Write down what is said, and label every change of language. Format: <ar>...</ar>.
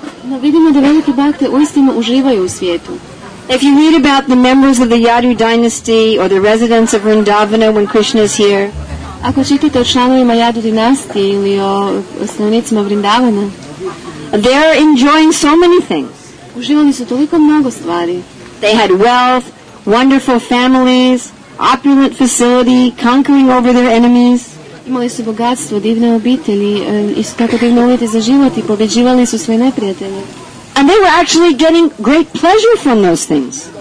<hr>No, vidimo da veliki bhakte uistinu uživaju u svijetu.</hr> <en>If you read about the members of the Yadu dynasty or the residents of Vrindavana when Krishna is here,</en> <hr>ako čitate o članovima Yadu dinastije ili o stanovnicima Vrindavana,</hr> <en>they are enjoying so many things.</en> <hr>Uživali su toliko mnogo stvari.</hr> <en>They had wealth, wonderful families, opulent facility, conquering over their enemies.</en> <hr>Imali su bogatstvo, divne obitelji, isto tako divne uvjete za život I pobjeđivali su svoje neprijatelje.</hr> <en>And they were actually getting great pleasure from those things.</en>